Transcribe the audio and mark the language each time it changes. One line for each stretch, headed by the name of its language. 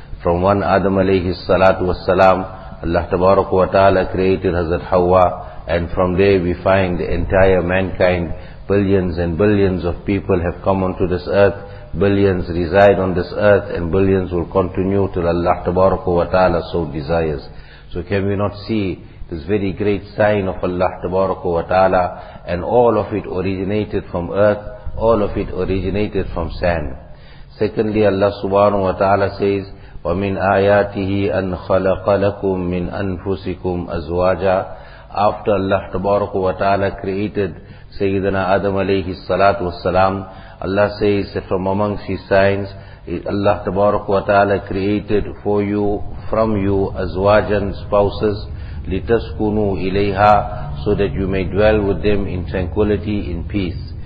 English: From one Adam alayhi salatu wassalam, Allah tabaraka wa ta'ala created Hazrat Hawa, and from there we find the entire mankind, billions and billions of people have come onto this earth, billions reside on this earth, and billions will continue till Allah tabaraka wa ta'ala so desires. So can we not see this very great sign of Allah tabaraka wa ta'ala, and all of it originated from earth, all of it originated from sand. Secondly, Allah subhanahu wa ta'ala says,
Arabic: وَمِنْ آيَاتِهِ أَنْ خَلَقَ لَكُمْ مِنْ أَنْفُسِكُمْ أَزْوَاجًا.
English: After Allah tabaraka wa ta'ala created Sayyidina Adam alayhi salatu wassalam, Allah says that from amongst His signs, Allah tabaraka wa ta'ala created for you, from you, azwajan, spouses,
Arabic: لِتَسْكُنُوا إِلَيْهَا,
English: so that you may dwell with them in tranquility, in peace.